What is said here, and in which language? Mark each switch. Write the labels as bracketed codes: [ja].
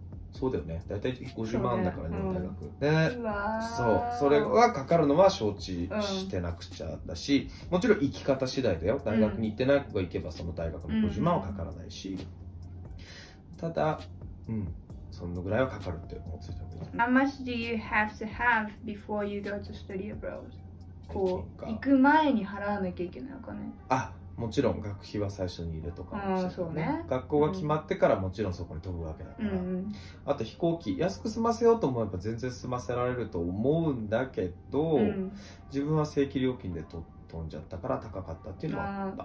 [ja] そうだよね、だいたい50万だからね、大学で、そう、それがかかるのは承知してなくちゃだし、もちろん行き方次第だよ、大学に行ってない子が行けばその大学の50万はかからないし、ただそのぐらいはかかるって思ってた。 [en] How much do you have to have before you go to study abroad? [ja] こう行く前に払わなきゃいけないお金、もちろん学費は最初に入れとかもしれない、ね、学校が決まってからもちろんそこに飛ぶわけだから、あと飛行機安く済ませようと思えば全然済ませられると思うんだけど、自分は正規料金で飛んじゃったから高かったっていうのはあった。